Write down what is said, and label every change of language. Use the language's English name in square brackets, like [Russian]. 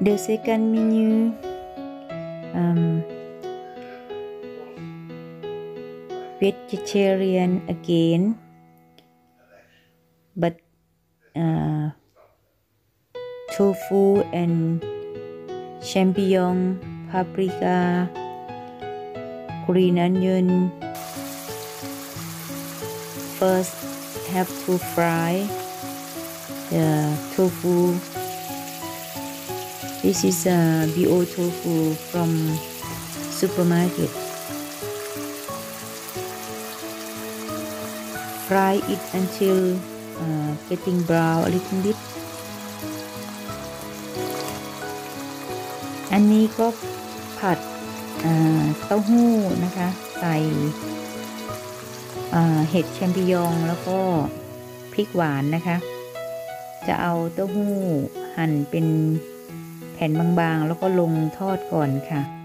[English] second menu, vegetarian again, but tofu and champignon, paprika, green onion. First, have to fry the tofu. This is BO tofu from supermarket. Fry it until getting brown a little bit. [Thai] อันนี้ก็ผัดเต้าหู้นะคะใส่เห็ดแชมปิญองแล้วก็พริกหวานนะคะจะเอาเต้าหู้หั่นเป็นแผ่นบางๆแล้วก็ลงทอดก่อนค่ะ